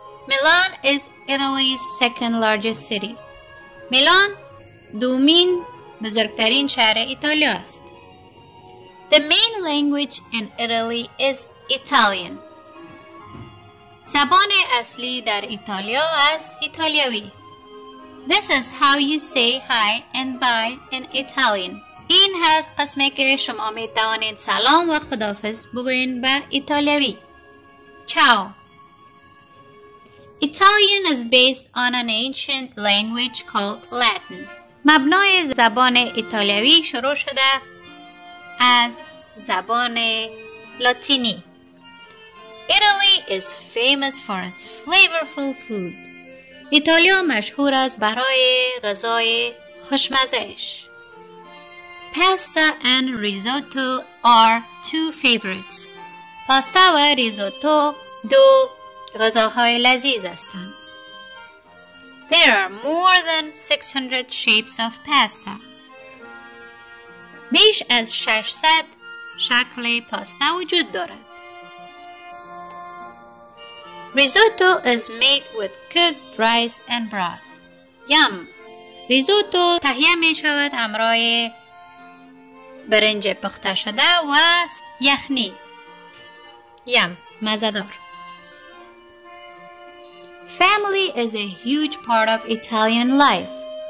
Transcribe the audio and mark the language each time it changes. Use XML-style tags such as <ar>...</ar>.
<en>Milan is Italy's second largest city.</en> <fa>میلان دومین بزرگترین شهر ایتالیا است.</fa> <en>The main language in Italy is Italian.</en> <fa>زبان اصلی در ایتالیا است ایتالیایی.</fa> <en>This is how you say hi and bye in Italian.</en> <fa>این هست قسمی که شما می توانید سلام و خداحافظ بگوین به ایتالیایی.</fa> <en>Ciao. Italian is based on an ancient language called Latin.</en> <fa>مبنای زبان ایتالیایی شروع شده از زبان لاتینی.</fa> <en>Italy is famous for its flavorful food.</en> <fa>ایتالیا مشهور از برای غذای خوشمزش.</fa> <en>Pasta and risotto are two favorites.</en> <fa>پاستا و ریزوتو دو غذاهای لذیذ هستند.</fa> <en>There are more than 600 shapes of pasta.</en> <fa>بیش از 600 شکل پاستا وجود دارد.</fa> <en>Risotto is made with cooked rice and broth. Yum!</en> <fa>ریزوتو تهیه می شود همراه برنج پخته شده و یخنی. Yum! مزه‌دار.</fa> <en>Family is a huge part of Italian life.</en>